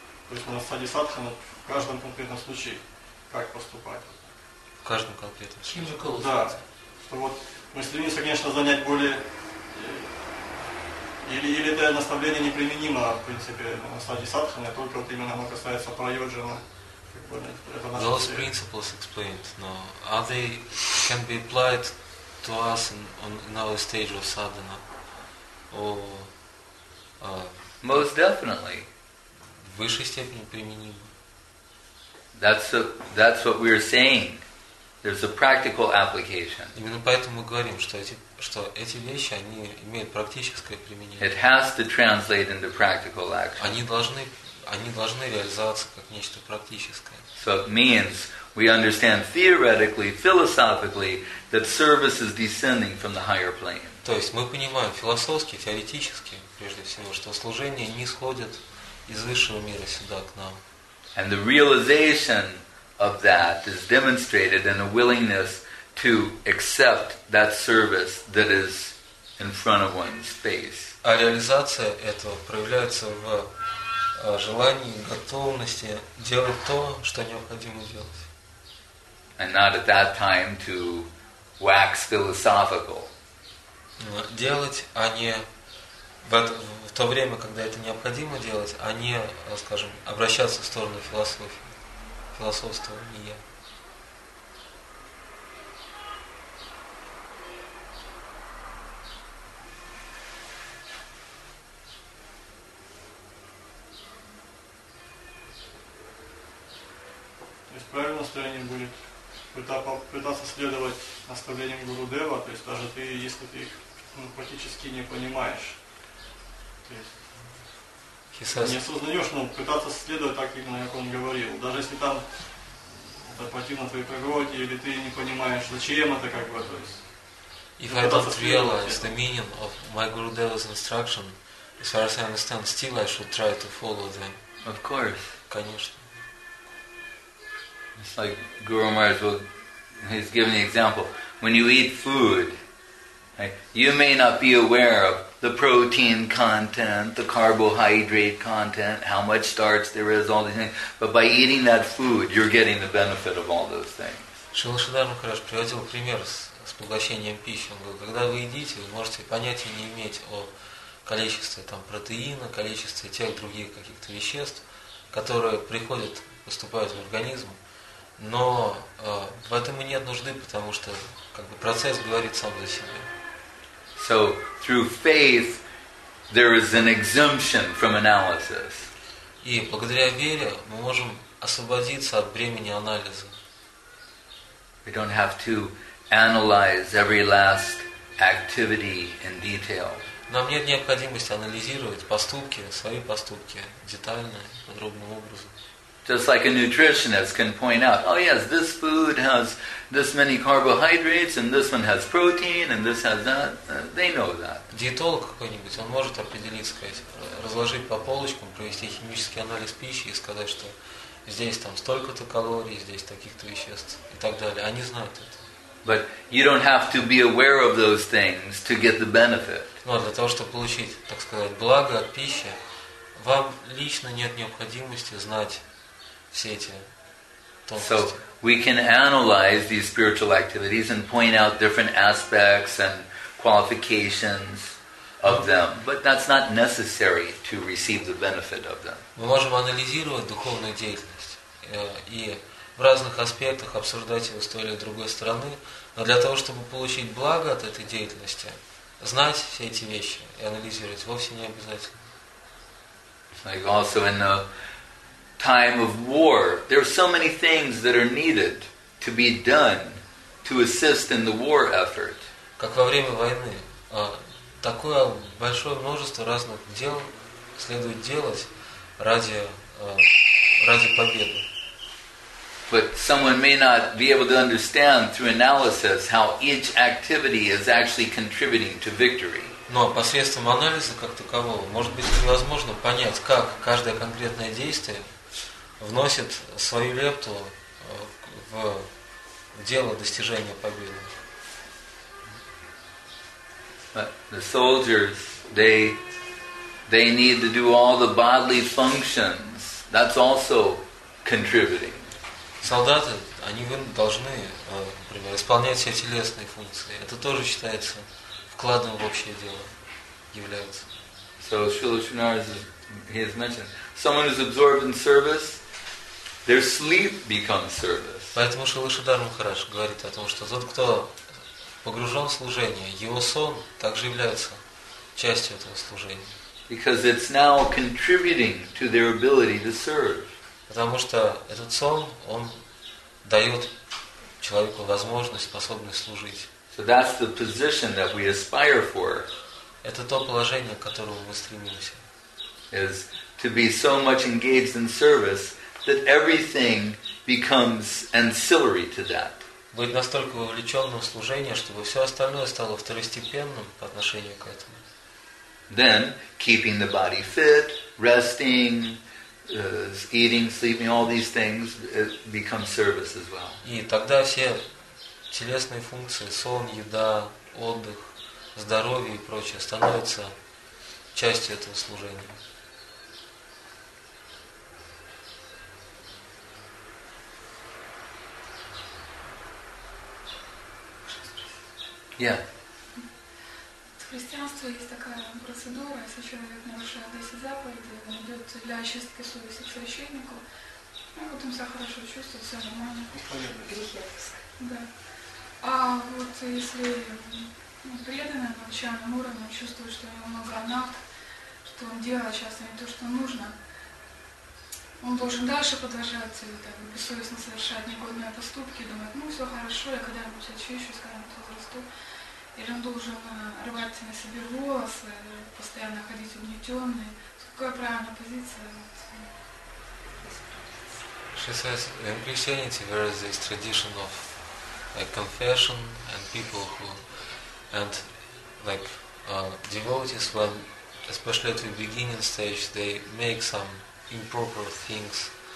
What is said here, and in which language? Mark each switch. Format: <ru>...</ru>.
<ru>То есть на стадии садхана в каждом конкретном случае как поступать. В каждом конкретном случае? Да. Что вот мы стремимся, конечно, занять более... Или это наставление неприменимо, в принципе, на стадии садхана, только вот именно оно касается прайоджана.</ru> <en>Those principles explained, no. Are they, can be applied to us in our stage of sadhana? Or, Most definitely.</en> <ru>В высшей степени применимо.</ru> <en>That's what we're saying. There's a practical application.</en> <ru>Именно поэтому мы говорим, что эти вещи, они имеют практическое применение.</ru> <en>It has to translate into practical action.</en> <ru>Они должны реализоваться как нечто практическое.</ru> <en>So it means we understand theoretically, philosophically, that service is descending from the higher plane.</en> <ru>То есть мы понимаем философски, теоретически, прежде всего, что служение нисходит из высшего мира сюда к нам.</ru> <en>And the realization of that is demonstrated in a willingness to accept that service that is in front of one's face.</en> <ru>А реализация этого проявляется в желании, готовности делать то, что необходимо делать.</ru> <en>And not at that time to wax philosophical.</en> <ru>Делать, а не в то время, когда это необходимо делать, а не, скажем, обращаться в сторону философии. Философствование. То есть правильном настроении будет пытаться следовать наставлениям Гурудева, то есть даже ты, если ты их практически не понимаешь, то есть не осознаешь, но пытаться следовать так, как он говорил. Даже если там это противно твоей природе, или ты не понимаешь, зачем это как бы, то есть.</ru> <en>If I don't realize the meaning of my Gurudeva's instruction, as far as I understand, still I should try to follow them. Of course.</en> <ru>Конечно.</ru> <en>It's like Guru Maharaj, he's given the example. When you eat food, right, you may not be aware of the protein content, the carbohydrate content, how much starch there is, all these things. But by eating that food, you're getting the benefit of all those things.</en> <ru>Шрила Шридхар Махарадж приводил пример с поглощением пищи. Он говорит, когда вы едите, вы можете понятия не иметь о количестве там, протеина, количестве тех других каких-то веществ, которые приходят, поступают в организм. Но в этом и нет нужды, потому что как бы, процесс говорит сам за себя.</ru> <en>So, through faith, there is an exemption from analysis.</en> <ru>И благодаря вере мы можем освободиться от бремени анализа.</ru> <en>We don't have to analyze every last activity in detail.</en> <ru>Нам нет необходимости анализировать поступки, свои поступки, детально, подробным образом.</ru> <en>Just like a nutritionist can point out, oh yes, this food has this many carbohydrates, and this one has protein, and this has that. They know that.</en> <ru>Диетолог какой-нибудь, он может определить, сказать, разложить по полочкам, провести химический анализ пищи и сказать, что здесь там столько-то калорий, здесь таких-то веществ и так далее. Они знают это.</ru> <en>But you don't have to be aware of those things to get the benefit.</en> <ru>Но для того, чтобы получить, так сказать, благо от пищи, вам лично нет необходимости знать все эти тонкости.</ru> <en>So we can analyze these spiritual activities and point out different aspects and qualifications of them, but that's not necessary to receive the benefit of them.</en> <ru>Мы можем анализировать духовную деятельность и в разных аспектах обсуждать ее с той или другой стороны, но для того, чтобы получить благо от этой деятельности, знать все эти вещи и анализировать вовсе не обязательно.</ru> <en>Like also in the time of war, there are so many things that are needed to be done to assist in the war effort.</en> <ru>Как во время войны, такое большое множество разных дел следует делать ради победы.</ru> <en>But someone may not be able to understand through analysis how each activity is actually contributing to victory.</en> <ru>Но посредством анализа как такового может быть невозможно понять, как каждое конкретное действие вносит свою лепту в дело достижения победы.</ru> <en>But the soldiers, they need to do all the bodily functions. That's also contributing.</en> <ru>Солдаты, они должны, например, исполнять все телесные функции. Это тоже считается вкладом в общее дело, является.</ru> <en>So Srila Srinivas, he has mentioned, someone who's absorbed in service, their sleep becomes service.</en> <ru>Поэтому Шрила Шридхар Махарадж говорит о том, что тот, кто погружен в служение, его сон также является частью этого служения.</ru> <en>Because it's now contributing to their ability to serve.</en> <ru>Потому что этот сон, он дает человеку возможность, способность служить.</ru> <en>So that's the position that we aspire for.</en> <ru>Это то положение, к которому мы стремимся.</ru> <en>Is to be so much engaged in service that everything becomes ancillary to that.</en> <ru>Быть настолько вовлеченным в служение, чтобы все остальное стало второстепенным по отношению к этому.</ru> <en>Then, keeping the body fit, resting, eating, sleeping, all these things, it becomes service as well.</en> <ru>И тогда все телесные функции, сон, еда, отдых, здоровье и прочее становятся частью этого служения.</ru> <en>Yeah.</en> <ru>В христианстве есть такая процедура, если человек нарушает 10 заповедей, он идет для очистки совести к священнику, ну вот он себя хорошо чувствует, все нормально. Да. А вот если преданный на начальном уровне чувствует, что у него много анат, что он делает часто не то, что нужно, Он должен дальше продолжать так, бессовестно совершать негодные поступки, думать, ну все хорошо, я когда-нибудь очищусь, когда-нибудь возрасту. Или он должен рвать на себе волосы, постоянно ходить угнетенный. Какая правильная позиция? Вот.</ru> <en>She says in Christianity there is this tradition of like confession and people who and like devotees when especially at the beginning stage they make some improper things.</en>